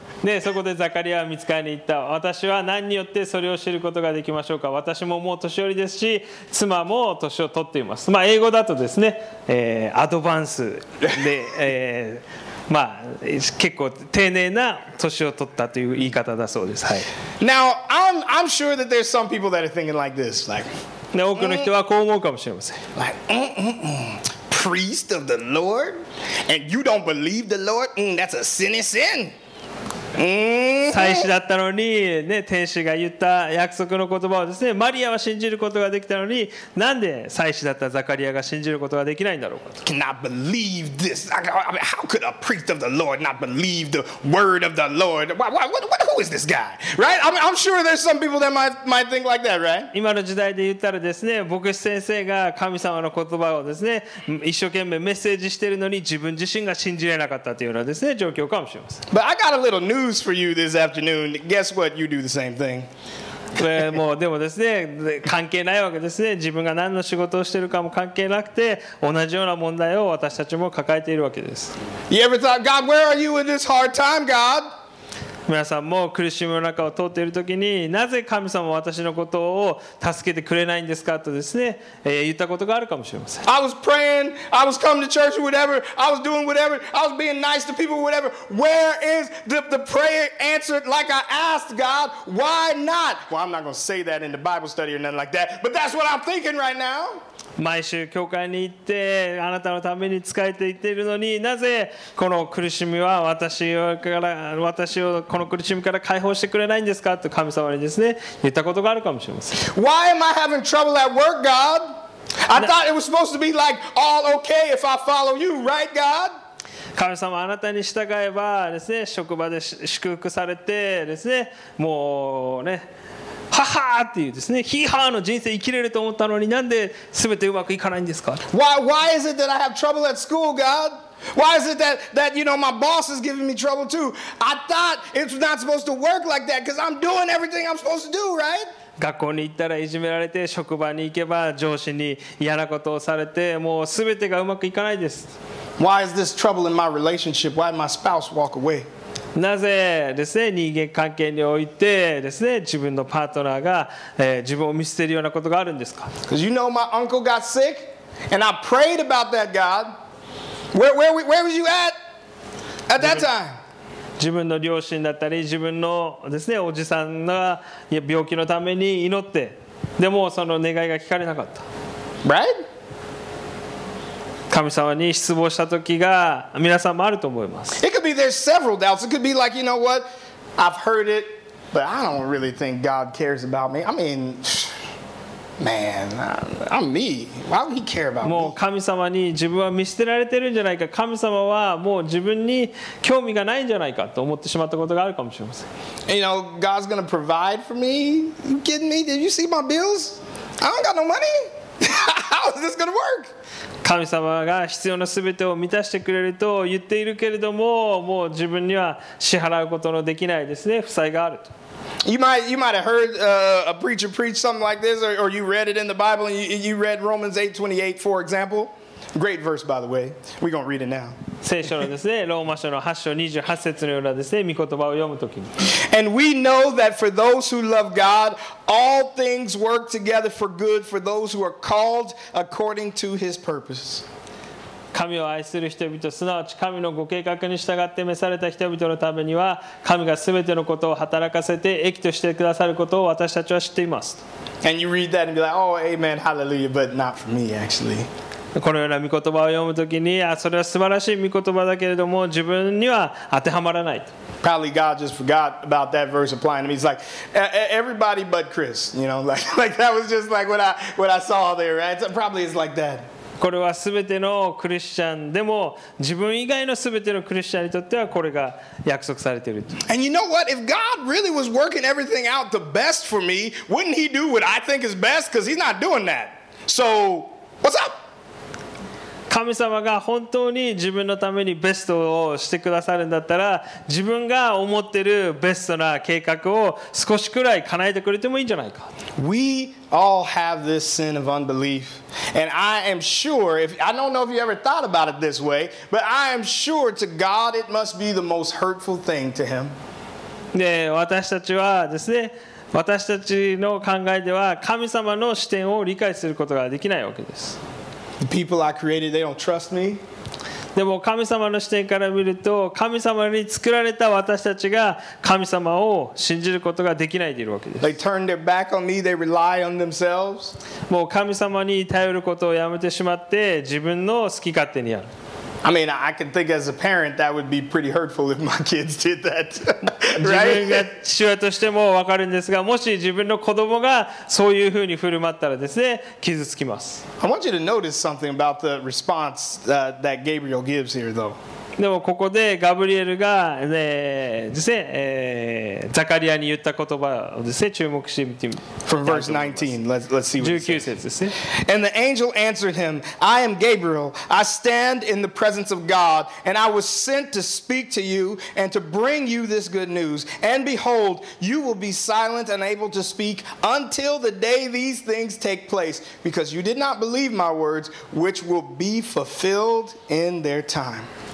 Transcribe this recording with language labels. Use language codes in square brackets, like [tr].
[ja] でそこでザカリアは見つかりに行った。私は何によってそれを知ることができましょうか。私ももう年寄りですし、妻も年を取っています。まあ、英語だとですね、アドバンスで、まあ、結構丁寧な年を取ったという言い方だそうです、はい、 [en] Now I'm sure that there's some people that are thinking like this like, [ja] で多くの人はこう思うかもしれません。 [en] Like priest of the Lord and you don't believe the Lord that's a sinny sin [ja] 祭司だったのに、ね、天使が言った約束の言葉をですね、マリアは信じることができたのに、なんで祭司だったザカリアが信じることができないんだろうかと。 [en] Cannot believe this. How could a priest of the Lord not believe the word of the Lord? Who is this guy? Right? I'm sure there's some people that might think like that, right? [ja] 今の時代で言ったらですね、牧師先生が神様の言葉をですね、一生懸命メッセージしてるのに自分自身が信じれなかったというようなですね、状況かもしれません。 [en] But I got a little news for you this afternoon. Guess what? You do the same thing. [ja] もうでもですね、関係ないわけですね。自分が何の仕事をしているかも関係なくて、同じような問題を私たちも抱えているわけです。 [en] You ever thought, God, where are you in this hard time, God? [ja] 皆さんも苦しみの中を通っているときに、なぜ神様は私のことを助けてくれないんですかとですね、言ったことがあるかもしれません。 [en] I was praying, I was coming to church, whatever, I was doing whatever, I was being nice to people, whatever. Where is the prayer answered like I asked God? Why not? Well, I'm not going to say that in the Bible study or nothing like that, but that's what I'm thinking right now. [ja] 毎週教会に行ってあなたのために仕えていっているのに、なぜこの苦しみは私をこの苦しみから解放してくれないんですかと神様にですね、言ったことがあるかもしれません。 [en] Why am I having trouble at work, God? I thought it was supposed to be like all okay if I follow you, right, God? [ja] 神様、あなたに従えばですね、職場で祝福されてですね、もうね、ははーっていうですね、ヒーハーの人生生きれると思ったのに、なんで全てうまくいかないんですか。 [en] Why is it that I have trouble at school, God? Why is it that you know, my boss is giving me trouble too? I thought it's not supposed to work like that, because I'm doing everything I'm supposed to do, right? [ja] 学校に行ったらいじめられて、職場に行けば上司に嫌なことをされて、もう全てがうまくいかないです。 [en] Why is this trouble in my relationship? Why did my spouse walk away? [ja] なぜですね、人間関係においてですね、自分のパートナーが、自分を見捨てるようなことがあるんですか。 [en] Because you know my uncle got sick and I prayed about that, God. Where was you at that time? [ja] 自分の両親だったり自分のですね、おじさんが病気のために祈って、でもその願いが聞かれなかった。 [en] Right? [ja] 神様に失望した時が皆さんもあると思います。 [en] It could be there's several doubts. It could be like, you know what? I've heard it, but I don't really think God cares about me. I mean... Man, I'm me. Why would he care about me? [ja] もう神様に自分は見捨てられてるんじゃないか、神様はもう自分に興味がないんじゃないかと思ってしまったことがあるかもしれません。 [en] You know, God's gonna provide for me? You kidding me? Did you see my bills? I don't got no money. How is this gonna work? [ja] 神様が必要な全てを満たしてくれると言っているけれども、もう自分には支払うことのできないですね、負債があると。 [en] You might have heard a preacher preach something like this, or you read it in the Bible, and you read Romans 8:28, for example. Great verse, by the way. We're going to read it now. [ja] 聖書のですね、ローマ書の8章28節のようなですね、御言葉を読むときに。 [en] And we know that for those who love God, all things work together for good for those who are called according to his purpose. [ja] 神を愛する人々、すなわち神のご計画に従って召された人々のためには、神がすべてのことを働かせて益としてくださることを私たちは知っています。 [en] And you read that and be like, oh, amen, hallelujah, but not for me, actually. [ja] このような御言葉を読むときに、あ、それは素晴らしい御言葉だけれども、自分には当てはまらない。 [en] Probably God just forgot about that verse applying to me. He's like, everybody but Chris, you know, like that was just like what I saw there, right? So probably it's like that. [ja] これはすべてのクリスチャンでも、自分以外のすべてのクリスチャンにとってはこれが約束されていると。 [en] And you know what? If God really was working everything out the best for me, wouldn't He do what I think is best? Because He's not doing that. So, what's up? [ja] 神様が本当に自分のためにベストをしてくださるんだったら、自分が思っているベストな計画を少しくらい叶えてくれてもいいんじゃないか。 [en] We all have this sin of unbelief. And I am sure, if, I don't know if you ever thought about it this way, but I am sure to God it must be the most hurtful thing to Him. [ja] で、私たちはですね、私たちの考えでは神様の視点を理解することができないわけです。 [en] The people I created, they don't trust me. [ja] でも神様の視点から見ると、神様に作られた私たちが神様を信じることができないでいるわけです。 [en] They turn their back on me, they rely on themselves. [ja] もう神様に頼ることをやめてしまって、自分の好き勝手にやる。 [en] I mean, I can think as a parent, that would be pretty hurtful if my kids did that. [ja] 自分が父親としても分かるんですが、もし自分の子供がそういうふうに振る舞ったらですね、傷つきます。 [en] I want you to notice something about the response that Gabriel gives here, though. [ja] でもここでガブリエルが、ね、ですね、ザカリアに言った言葉をですね、注目してみてみ。 [en] From verse 19, let's see what it says. [ja] 19節ですね。 [en] And the angel answered him, I am Gabriel. I stand in the presence of God, and I was sent to speak to you and to bring you this good news. And behold, you will be silent and able to speak until the day these things take place, because you did not believe my words, which will be fulfilled in their time.